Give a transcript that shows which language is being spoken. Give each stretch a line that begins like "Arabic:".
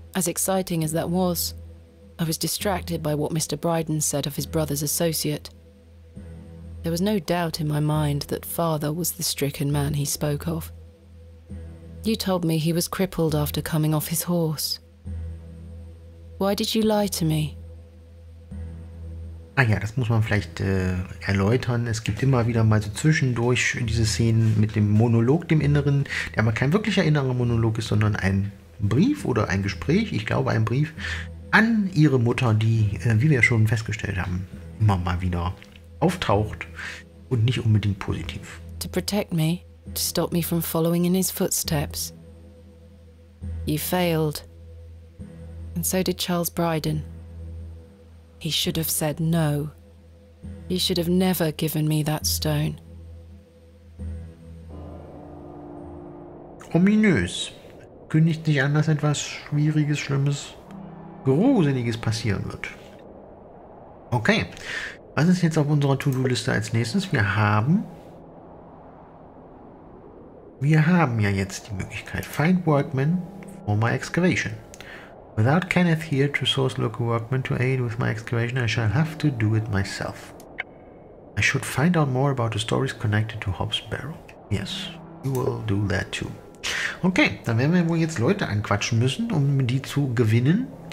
English: As exciting as that was, I was distracted by what Mr. Bryden said of his brother's associate. There was no doubt in my mind that father was the stricken man he spoke of. You told me he was crippled after coming off his horse. Why did you lie to me?
German: Ah ja, das muss man vielleicht erläutern. Es gibt immer wieder mal so zwischendurch diese Szenen mit dem Monolog, dem Inneren, der aber kein wirklicher innerer Monolog ist, sondern ein Brief oder ein Gespräch, ich glaube ein Brief, an ihre Mutter, die, wie wir schon festgestellt haben, immer mal wieder auftaucht und nicht unbedingt positiv.
English: To protect me, to stop me from following in his footsteps. You failed. And so did Charles Bryden. He should have said no. He should have never given me that stone.
German: Ominös. Kündigt nicht an, dass etwas Schwieriges, Schlimmes, Gruseliges passieren wird. Okay, was ist jetzt auf unserer To-Do-Liste als nächstes? Wir haben ja jetzt die Möglichkeit,
English: find workmen for my excavation. Without Kenneth here to source local workmen to aid with my excavation, I shall have to do it myself. I should find out more about the stories connected to Hobbs Barrow. Yes, you will do that too.
German: Okay, dann werden wir wohl jetzt Leute anquatschen müssen, um die zu gewinnen.